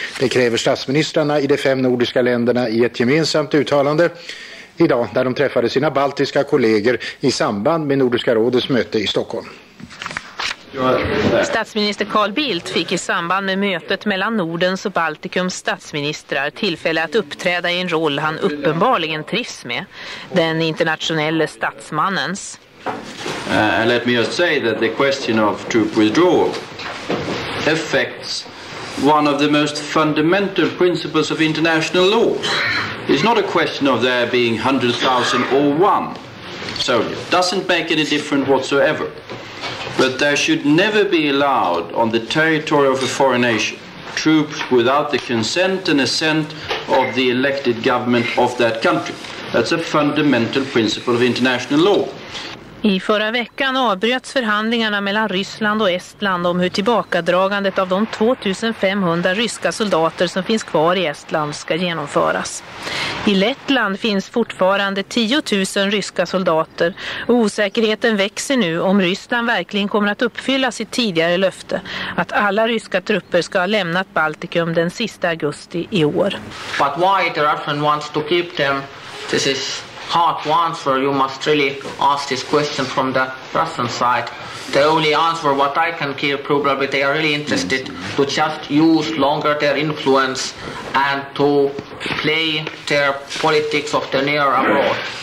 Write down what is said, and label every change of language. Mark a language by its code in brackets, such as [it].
[sv] Det kräver statsministrarna i de 5 nordiska länderna i ett gemensamt uttalande idag där de träffade sina baltiska kollegor i samband med Nordiska rådets möte i Stockholm. Statsminister Carl Bildt fick i samband med mötet mellan Nordens och Baltikums statsministrar tillfälle att uppträda i en roll han uppenbarligen trivs med, den internationella statsmannens. [en] Let me just say that the question of troop withdrawal affects one of the most fundamental principles of international law. It's not a question of there being 100,000 or one soldier. It doesn't make any difference whatsoever. But there should never be allowed on the territory of a foreign nation troops without the consent and assent of the elected government of that country. That's a fundamental principle of international law. [sv] I förra veckan avbröts förhandlingarna mellan Ryssland och Estland om hur tillbakadragandet av de 2500 ryska soldater som finns kvar i Estland ska genomföras. I Lettland finns fortfarande 10 000 ryska soldater och osäkerheten växer nu om Ryssland verkligen kommer att uppfylla sitt tidigare löfte att alla ryska trupper ska ha lämnat Baltikum den sista augusti i år. [en] But why the Russian wants to keep them, this is hard to answer. You must really ask this question from the Russian side. The only answer what I can give probably they are really interested to just use longer their influence and to play their politics of the near abroad.